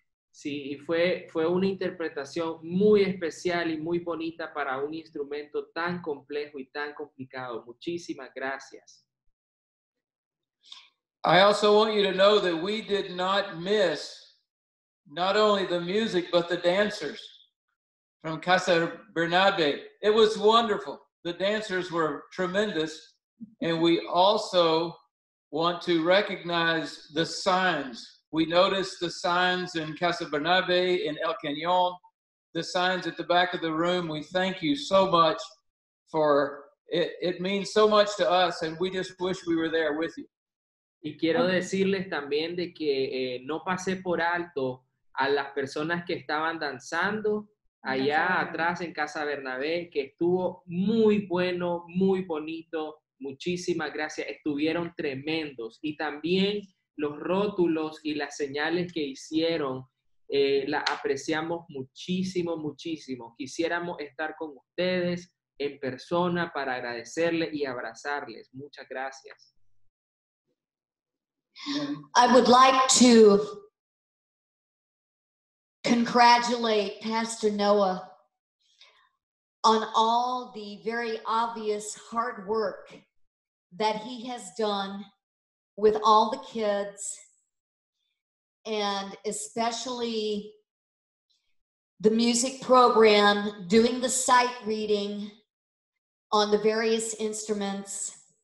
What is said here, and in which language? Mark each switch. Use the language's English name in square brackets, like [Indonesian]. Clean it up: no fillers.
[Spanish] Sí, y fue una interpretación muy especial y muy bonita para un instrumento tan complejo y tan complicado. Muchísimas gracias. [English] I also want you to know that we did not miss not only the music, but the dancers from Casa Bernabe. It was wonderful. The dancers were tremendous. And we also want to recognize the signs. We noticed the signs in Casa Bernabe, in El Cañon, the signs at the back of the room. We thank you so much for it. It means so much to us, and we just wish we were there with you. [Spanish] Y quiero decirles también de que no pasé por alto a las personas que estaban danzando allá atrás en Casa Bernabé, que estuvo muy bueno, muy bonito. Muchísimas gracias. Estuvieron tremendos. Y también los rótulos y las señales que hicieron, la apreciamos muchísimo, muchísimo. Quisiéramos estar con ustedes en persona para agradecerles y abrazarles. Muchas gracias. [English] I would like to congratulate Pastor Noah on all the very obvious hard work that he has done with all the kids, and especially the music program, doing the sight reading on the various instruments.